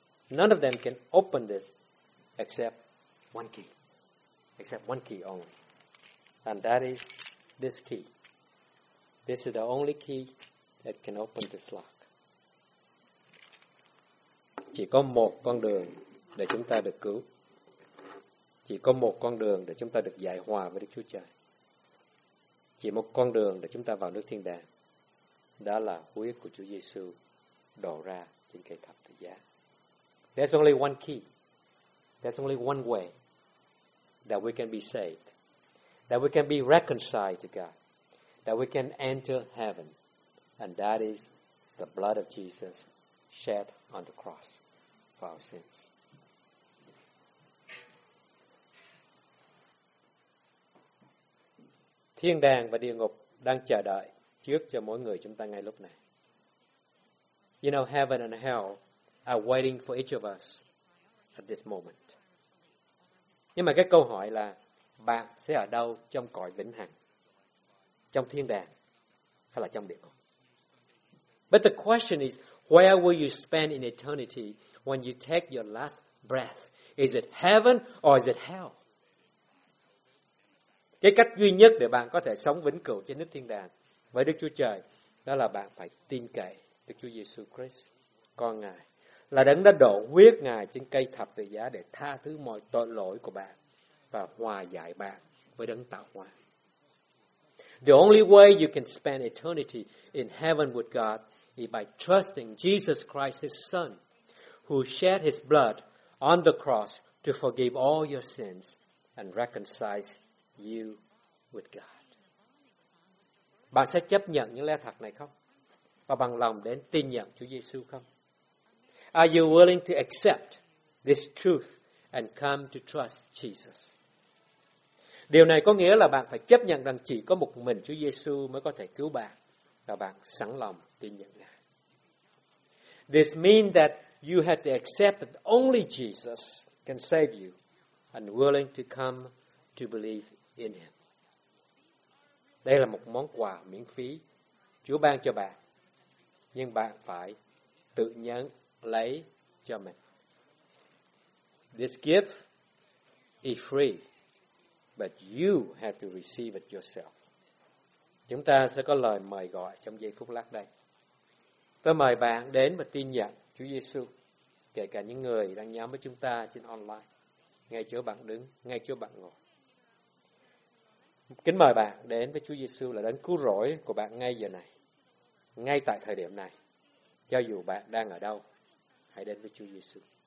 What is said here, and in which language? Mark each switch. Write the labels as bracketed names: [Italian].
[English] None of them can open this except one key only. And that is this key. This is the only key that can open this lock. [Vietnamese] Chỉ có một con đường để chúng ta được cứu. Chỉ có một con đường để chúng ta được giải hòa với Đức Chúa Trời. Chỉ một con đường để chúng ta vào nước thiên đàng. Đó là huyết của Chúa Giêsu đổ ra trên cây thập tự giá. [English] There's only one key. There's only one way that we can be saved, that we can be reconciled to God, that we can enter heaven, and that is the blood of Jesus shed on the cross for our sins. [Vietnamese] Thiên đàng và địa ngục đang chờ đợi trước cho mỗi người chúng ta ngay lúc này. [English] you know, heaven and hell are waiting for each of us at this moment. [Vietnamese] Nhưng mà cái câu hỏi là bạn sẽ ở đâu trong cõi vĩnh hằng? Trong thiên đàng hay là trong địa ngục? [English] But the question is, where will you spend in eternity when you take your last breath? Is it heaven or is it hell? [Vietnamese] Cái cách duy nhất để bạn có thể sống vĩnh cửu trên nước thiên đàng với Đức Chúa Trời đó là bạn phải tin cậy Đức Chúa Giêsu Christ, con Ngài, là đấng đã đổ huyết Ngài trên cây thập tự giá để tha thứ mọi tội lỗi của bạn và hòa giải bạn với đấng tạo hóa. [English] The only way you can spend eternity in heaven with God is by trusting Jesus Christ, His Son, who shed His blood on the cross to forgive all your sins and reconcile you with God. [Vietnamese] Bạn sẽ chấp nhận những lẽ thật này không? Và bằng lòng đến tin nhận Chúa Giêsu không? [English] Are you willing to accept this truth and come to trust Jesus? [Vietnamese] Điều này có nghĩa là bạn phải chấp nhận rằng chỉ có một mình Chúa Giêsu mới có thể cứu bạn và bạn sẵn lòng tin nhận Ngài. [English] This means that you have to accept that only Jesus can save you and willing to come to believe in Him. [Vietnamese] Đây là một món quà miễn phí Chúa ban cho bạn, nhưng bạn phải tự nhận lấy cho mình. [English] This gift is free, but you have to receive it yourself. [Vietnamese] Chúng ta sẽ có lời mời gọi trong giây phút lát đây. Tôi mời bạn đến và tin nhận Chúa Giêsu, kể cả những người đang nhóm với chúng ta trên online, ngay chỗ bạn đứng, ngay chỗ bạn ngồi. Kính mời bạn đến với Chúa Giêsu là đấng cứu rỗi của bạn ngay giờ này, ngay tại thời điểm này, cho dù bạn đang ở đâu, hãy đến với Chúa Giêsu.